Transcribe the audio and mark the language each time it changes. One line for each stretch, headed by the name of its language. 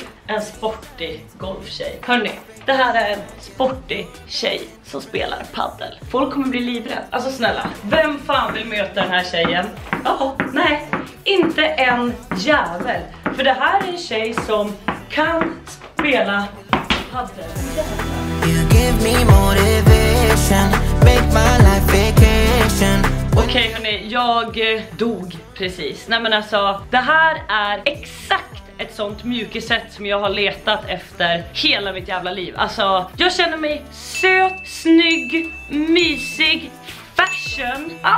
Swedish: En sportig golftjej. Hörrni, det här är en sportig tjej som spelar paddel. Folk kommer bli livrädda. Alltså snälla, vem fan vill möta den här tjejen? Jaha, nej, inte en jävel. För det här är en tjej som kan spela paddel.
English: You give me motivation, make my life vacation.
Swedish: Okej, hörrni, jag dog precis. Nej men alltså, det här är exakt ett sånt mjukisätt som jag har letat efter hela mitt jävla liv. Alltså, jag känner mig söt, snygg, mysig, fashion.